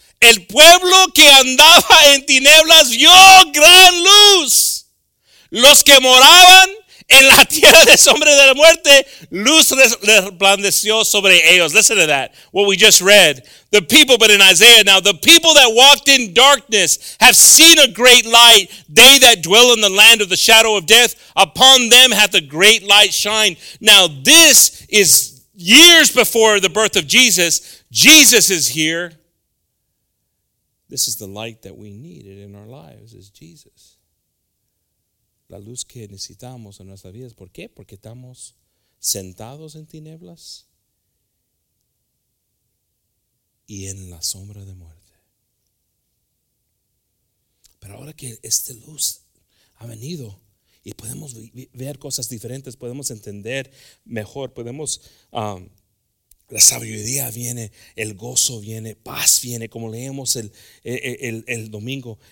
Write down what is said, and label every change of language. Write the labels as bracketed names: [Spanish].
[Spanish] El pueblo que andaba en tinieblas vio gran luz. Los que moraban en la tierra de sombra de la muerte, luz resplandeció sobre ellos. [English] Listen to that, what we just read. The people, but in Isaiah now, the people that walked in darkness have seen a great light. They that dwell in the land of the shadow of death, upon them hath a great light shine. Now this is years before the birth of Jesus. Jesus is here. This is the light that we needed in our lives, is Jesus. [Spanish] La luz que necesitamos en nuestras vidas. ¿Por qué? Porque estamos sentados en tinieblas y en la sombra de muerte. Pero ahora que esta luz ha venido y podemos ver cosas diferentes, podemos entender mejor, podemos, la sabiduría viene, el gozo viene, paz viene, como leemos el domingo.